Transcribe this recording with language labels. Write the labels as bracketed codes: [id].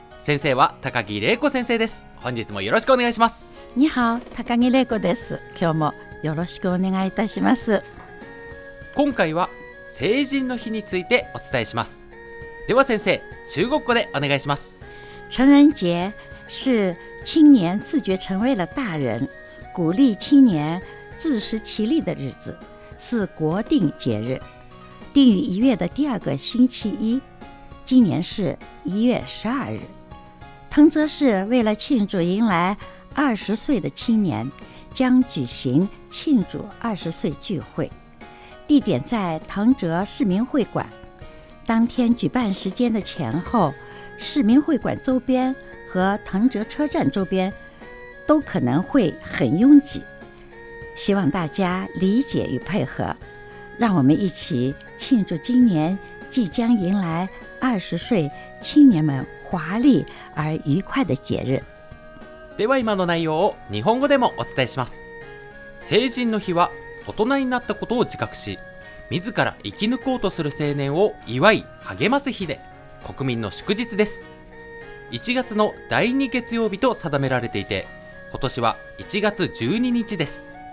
[ja] 先生は高木玲子先生です。本日もよろしくお願いします。ニハオ、高木玲子です。今日もよろしくお願いいたします。今回は成人の日についてお伝えします。では先生、中国語でお願いします。 [zh] 成人節是青年自觉成为了大人，鼓励青年自食其力的日子，是国定节日，定于1月的第二个星期一，今年是1月12日。藤泽市为了庆祝迎来20岁的青年，将举行庆祝20岁聚会，地点在藤泽市民会馆。当天举办时间的前后，市民会馆周边和藤泽车站周边都可能会很拥挤，希望大家理解与配合，让我们一起庆祝今年即将迎来20岁青年们华丽而愉快的节日。 [ja] では今の内容を日本語でもお伝えします。成人の日は大人になったことを自覚し自ら生き抜こうとする青年を祝い励ます日で、国民の祝日です。 1月の第2月曜日と定められていて、今年は1月12日です。